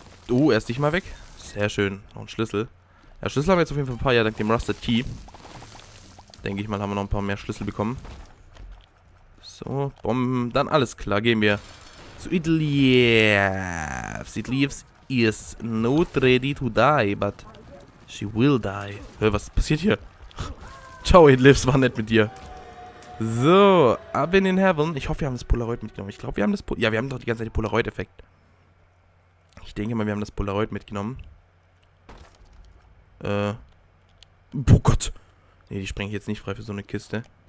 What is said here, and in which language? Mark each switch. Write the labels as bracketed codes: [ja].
[de] Oh, er ist nicht mal weg. Sehr schön. Noch ein Schlüssel. Ja, Schlüssel haben wir jetzt auf jeden Fall ein paar, ja, dank dem Rusted Key. Denke ich mal, haben wir noch ein paar mehr Schlüssel bekommen. So, Bomben. Dann alles klar, gehen wir zu Idlieff. [en] Idlieff is not ready to die, but she will die. [de] Hör, was passiert hier? Ciao, Idlieff, war nett mit dir. So, up in den Heaven. Ich hoffe, wir haben das Polaroid mitgenommen. Ich glaube, wir haben das Polaroid. Ja, wir haben doch die ganze Zeit den Polaroid-Effekt. Ich denke mal, wir haben das Polaroid mitgenommen. Oh Gott. Nee, die springe ich jetzt nicht frei für so eine Kiste.